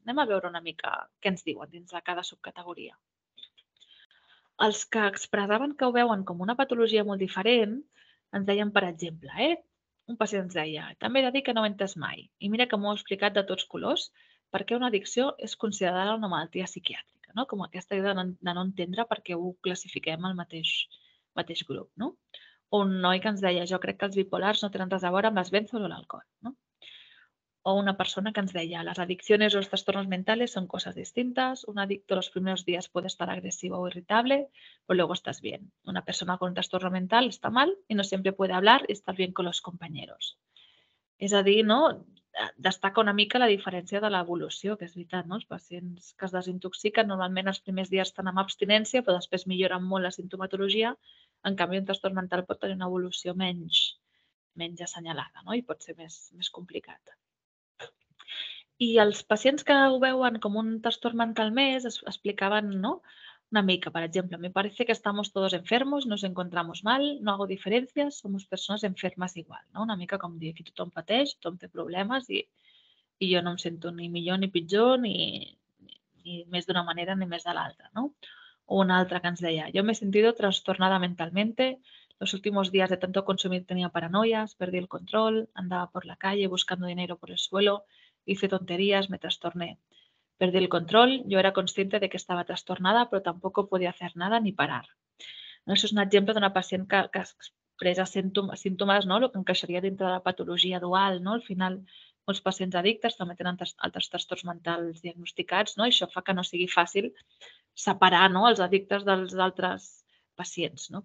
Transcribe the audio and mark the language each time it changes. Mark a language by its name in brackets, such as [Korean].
[Catalan] Anem a veure una mica què ens diuen dins de cada subcategoria. Els que expressaven que ho veuen com una patologia molt diferent ens deien, per exemple, un pacient ens deia, també he de dir que no ho entes mai i mira que m'ho he explicat de tots colors perquè una addicció és considerada una malaltia psiquiàtrica, no? Com aquesta idea de no entendre perquè ho classifiquem al mateix grup, no? Un noi que ens deia, jo crec que els bipolars no tenen res a veure amb les benzos o l'alcohol, no? O una persona que ens deia, [Spanish] les adicciones o els trastornos mentales són coses distintes, un adicto los primeros días puede estar agresivo o irritable, pero luego estás bien. Una persona con un trastorno mental está mal y no siempre puede hablar y estar bien con los compañeros. [Catalan] És a dir, no? Destaca una mica la diferència de l'evolució, que és veritat, no? Els pacients que es desintoxiquen normalment els primers dies estan amb abstinència, però després milloren molt la simptomatologia. En canvi, un trastorn mental pot tenir una evolució menys assenyalada, no? I pot ser més complicat. I els pacients que ho veuen com un trastorn mental més explicaven, no? Una mica, per exemple, [Spanish] me parece que estamos todos enfermos, nos encontramos mal, no hago diferencias, somos personas enfermas igual, no? [Catalan] Una mica com dir, aquí tothom pateix, tothom té problemes i jo no em sento ni millor ni pitjor ni més d'una manera ni més de l'altra, no? O una altra que ens deia, [Spanish] yo me he sentido trastornada mentalmente, los últimos días de tanto consumir tenía paranoias, perdí el control, andaba por la calle buscando dinero por el suelo, hice tonterías, me trastorné. Perdí el control, yo era consciente de que estaba trastornada, pero tampoco podía hacer nada ni parar. [Catalan] Això és un exemple d'una pacient que expressa símptomes, no? El que encaixaria dintre de la patologia dual, no? Al final, molts pacients addictes també tenen altres trastorns mentals diagnosticats, no? Això fa que no sigui fàcil separar, no? Els addictes dels altres pacients, no?